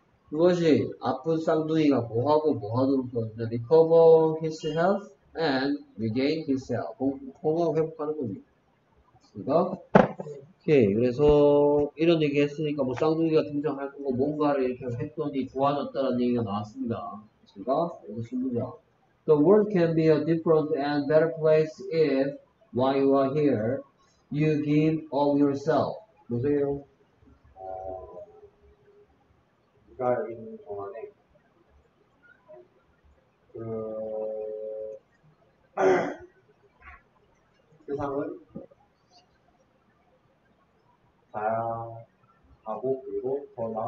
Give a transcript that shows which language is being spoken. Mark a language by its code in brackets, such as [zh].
[ko] 그것이 아픈 쌍둥이가 뭐하고 뭐하도록 도와준다. [en] Recover his health and regain his health. [ko] 건강을 회복하는 겁니다. 됐습니까? 오케이. 그래서 이런 얘기 했으니까 뭐 쌍둥이가 등장할 거고 뭔가를 이렇게 했더니 좋아졌다는 얘기가 나왔습니다. 됐습니까? 여기 신문이야. [en] The world can be a different and better place if while you are here you give of yourself. [ko] 보세요. 가 있는 동안에 그 세상은 다양하고 그리고 더 나아